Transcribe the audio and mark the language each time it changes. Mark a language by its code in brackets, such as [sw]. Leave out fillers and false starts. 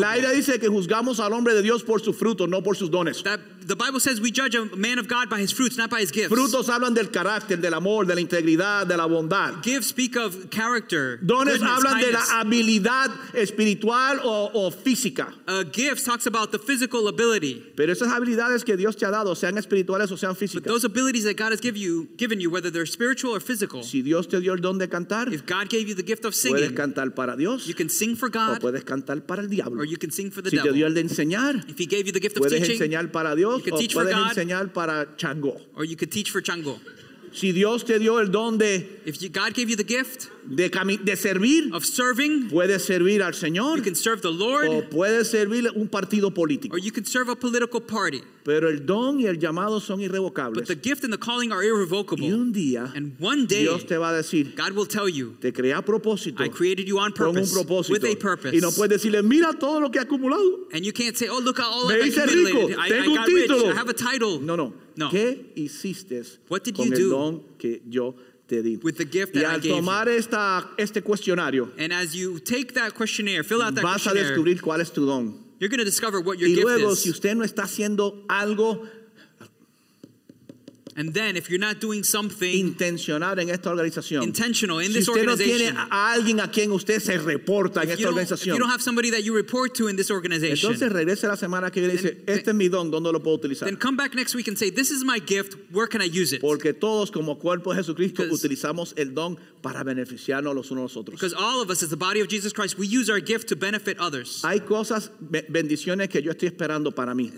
[es] La Biblia dice que juzgamos al hombre de Dios por su fruto, no por sus dones. [en] That the Bible says we judge a man of God by his fruits, not by his gifts. [es] Frutos hablan del carácter, del amor, de la integridad, de la bondad. [en] Gifts speak of character. [es] Dones [en] goodness, [es] hablan [en] kindness. [es] De la habilidad espiritual o física. [en] Gifts talks about the physical ability. [es] Pero esas habilidades que Dios te ha dado, sean espirituales o sean físicas. [en] But those abilities that God has given you, whether they're spiritual or physical. [es] Si Dios te dio el don de cantar, [en] if God gave you the gift of singing, [es] puedes cantar para Dios. [en] You can sing for God. [es] O puedes cantar para el diablo. [en] Or you can sing for the [es] si [en] devil. [es] Si te dio el de enseñar, [en] if he gave you the gift [es] puedes [en] of teaching, [es] enseñar para Dios. [en] You could teach [es] o puedes [en] for God, [es] enseñar para chango. [en] Or you could teach for chango. [es] Si Dios te dio el don de, [en] if you, God gave you the gift [es] de servir, [en] of serving, [es] puedes servir al Señor. [en] You can serve the Lord. [es] O puedes servir un partido político. [en] Or you could serve a political party. [es] Pero el don y el llamado son irrevocables. [en] But the gift and the calling are irrevocable. [es] Y un día, [en] and one day, [es] Dios te va a decir, [en] God will tell you, [es] te creé a propósito, [en] I created you on purpose, [es] con un propósito, [en] with a purpose. [es] Y no puedes decirle, mira todo lo que he acumulado. [en] And you can't say, oh, look at all [es] me [en] I've accumulated. [es] Rico, tengo [en] I got [es] un [en] rich. I have a title. [es] No. ¿Qué hiciste [en] what did [es] con [en] you [es] el [en] do [es] don que yo te di? [en] With the gift that [es] y al [en] I gave [es] tomar [en] you. [es] Esta, este cuestionario, [en] and as you take that questionnaire, fill out that [es] vas [en] questionnaire, [es] a descubrir cuál es tu don. [en] You're going to discover what your [es] y luego, [en] gift is. [es] Si usted no está haciendo algo, [en] and then if you're not doing something [es] intentional, en esta organización, [en] intentional in this [es] si usted [en] organization, [es] no tiene a alguien a quien usted se reporta en esta organización, [en] if you don't have somebody that you report to in this organization, [es] entonces regrese la semana que viene y dice, este es mi don, ¿dónde lo puedo utilizar? [en] Then come back next week and say, this is my gift, where can I use it? [es] Porque todos como cuerpo de Jesucristo utilizamos el don para beneficiarnos los unos a los otros. [en] Because all of us as the body of Jesus Christ, we use our gift to benefit others. [es] Hay cosas, bendiciones que yo estoy esperando para mí.